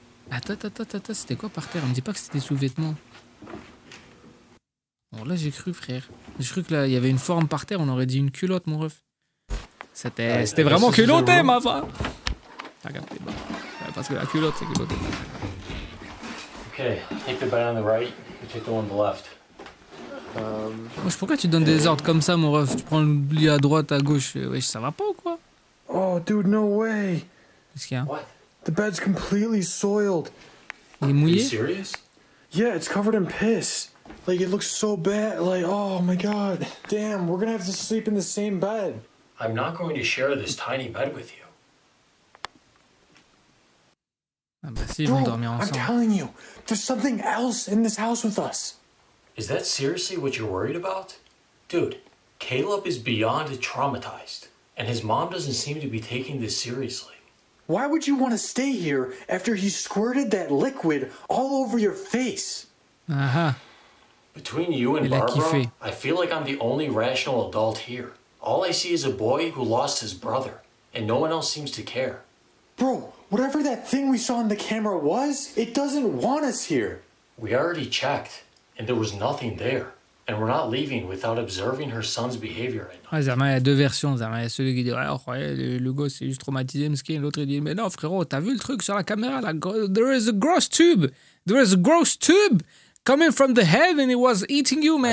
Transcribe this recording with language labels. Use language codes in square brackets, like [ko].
[fr] Attends, c'était quoi par terre? Me dis pas que c'était des sous-vêtements. Bon, là, j'ai cru, frère. J'ai cru que là, il y avait une forme par terre. On aurait dit une culotte, mon ref. C'était vraiment culotté, ma femme. Regarde, t'es bon. Parce que la culotte, c'est culotté. [en] Okay, take the bed on the right. You take the one on the left. [fr] Pourquoi tu donnes des ordres comme ça, mon ref? Tu prends le lit à droite, à gauche. Wesh, ça va pas ou quoi? [en] Oh, dude, no way. [fr] Qu'est-ce qu'il y a? [en] What? The bed's completely soiled. [fr] Il est mouillé? [en] Are you serious? Yeah, it's covered in piss. Like, it looks so bad. Like, oh my god. Damn, we're gonna have to sleep in the same bed. I'm not going to share this tiny bed with you. [fr] Ah bah si, ils vont dormir ensemble. [en] I'm telling you, there's something else in this house with us. Is that seriously what you're worried about? Dude, Caleb is beyond traumatized. And his mom doesn't seem to be taking this seriously. Why would you want to stay here after he squirted that liquid all over your face? Uh-huh. Between you and Barbara, I feel like I'm the only rational adult here. All I see is a boy who lost his brother, and no one else seems to care. Bro, whatever that thing we saw in the camera was, it doesn't want us here. We already checked, and there was nothing there. And we're not leaving without observing her son's behavior. [fr] Ouais, Zama, il y a deux versions. Zama, il y a celui qui dit ouais, oh, ouais, le gosse est juste traumatisé, mesquin. L'autre, il dit mais non, frérot, t'as vu le truc sur la caméra là? [en] There is a gross tube. There is a gross tube coming from the head and it was eating you, man.